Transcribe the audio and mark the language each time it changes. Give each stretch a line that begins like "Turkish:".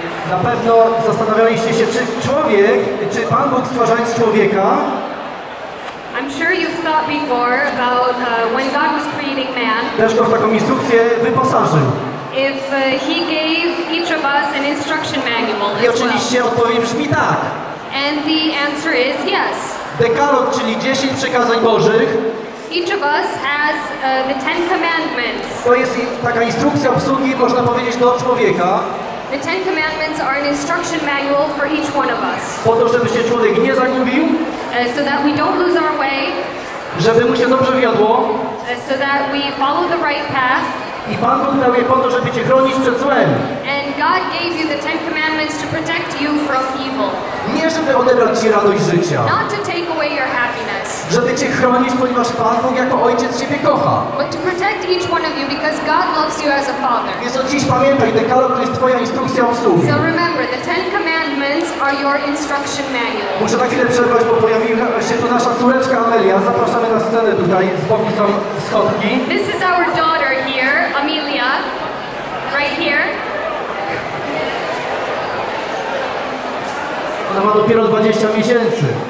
Polish: Na pewno zastanawialiście się, czy człowiek, czy Pan Bóg stwarzając człowieka.
English: I'm sure you've thought before about when God was creating man.
Polish: Też go w taką instrukcję wyposażył.
English: If he gave each of us an instruction manual.
Polish: I oczywiście odpowiem brzmi tak.
English: And the answer is yes.
Polish: Dekalog, czyli 10 przekazań Bożych.
English: Each of us has the Ten Commandments.
Polish: To jest taka instrukcja obsługi, można powiedzieć, do człowieka.
English: The Ten Commandments are an instruction manual for each one of us.
Polish: Po to, żeby się człowiek nie zagubił.
English: So that we don't lose our way.
Polish: Żeby mu się dobrze wiodło.
English: So that we follow the right path.
Polish: I Pan Bóg dał je po to, żeby cię chronić przed złem.
English: And God gave you the Ten Commandments to protect you from evil.
Polish: Nie żeby odebrać ci radość życia.
English: Not to take away your happiness.
Polish: Żeby cię chronić, ponieważ Pan Bóg jako ojciec ciebie kocha.
English: But to protect each one of you because God loves you as a father.
Polish: Więc od dziś pamiętaj, dekalog to jest twoja instrukcja obsługi.
English: So remember, the Ten Commandments are your instruction manual.
Polish: Muszę na chwilę przerwać, bo pojawiła się tu nasza córeczka Amelia. Zapraszamy na scenę tutaj, z boku są schodki.
English: This is our daughter here, Amelia, right here.
Polish: Ona ma dopiero 20 miesięcy.